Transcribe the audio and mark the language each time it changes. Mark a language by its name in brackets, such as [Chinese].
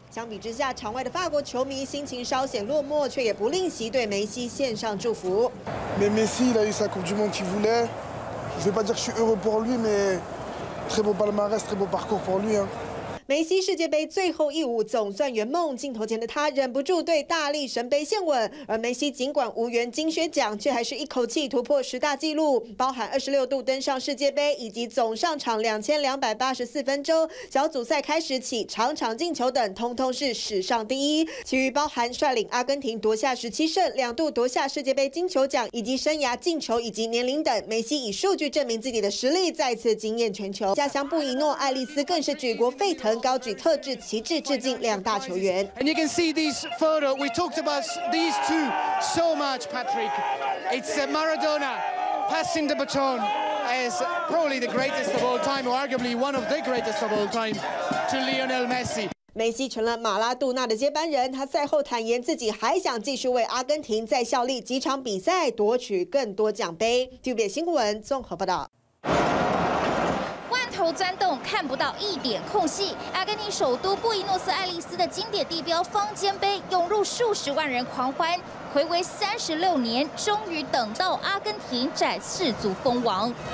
[Chinese] 相比之下，场外的法国球迷心情稍显落寞，却也不吝惜对梅西献上祝福。 [French] Mais Messi, il a eu sa Coupe du Monde qu'il voulait. Je vais pas dire que je suis heureux pour lui, mais très beau palmarès, très beau parcours pour lui, hein. [Chinese] 梅西世界杯最后一舞总算圆梦，镜头前的他忍不住对大力神杯献吻。而梅西尽管无缘金靴奖，却还是一口气突破10大纪录，包含26度登上世界杯，以及总上场2284分钟、小组赛开始起场场进球等，通通是史上第一。其余包含率领阿根廷夺下17胜、2度夺下世界杯金球奖，以及生涯进球以及年龄等，梅西以数据证明自己的实力，再次惊艳全球。家乡布宜诺艾利斯更是举国沸腾。高举特制旗帜致敬两大球员。 [English] And you can see these photos. We talked about these two so much, Patrick. It's Maradona passing the baton as probably the greatest of all time, or arguably one of the greatest of all time, to Lionel Messi. [Chinese] 梅西成了马拉杜纳的接班人，他赛后坦言自己还想继续为阿根廷再效力几场比赛，夺取更多奖杯。 TVBS新闻综合报道。头钻洞看不到一点空隙，阿根廷首都布宜诺斯艾利斯的经典地标方尖碑涌入数十万人狂欢，暌违36年，终于等到阿根廷展世祖封王。